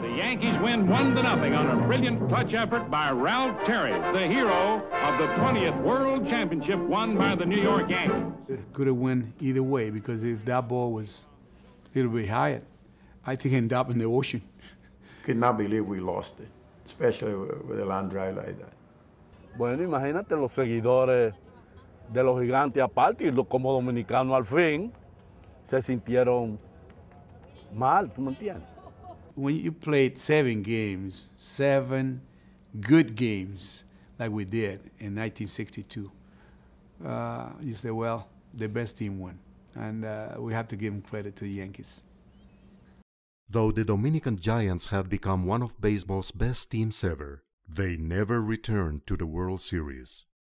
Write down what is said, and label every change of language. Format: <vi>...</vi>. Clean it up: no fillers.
<en>The Yankees win 1-0 on a brilliant clutch effort by Ralph Terry, the hero of the 20th World Championship won by the New York Yankees. Could have won either way, because if that ball was a little bit higher, I think it ended up in the ocean. Could not believe we lost it, especially with a land drive like that.</en> <es>Bueno, imagínate los seguidores de los gigantes aparte, y como dominicano al fin, se sintieron mal, tú me entiendes.</es> <en>When you played seven good games, like we did in 1962, you say, well, the best team won. And we have to give them credit to the Yankees. Though the Dominican Giants had become one of baseball's best teams ever, they never returned to the World Series.</en>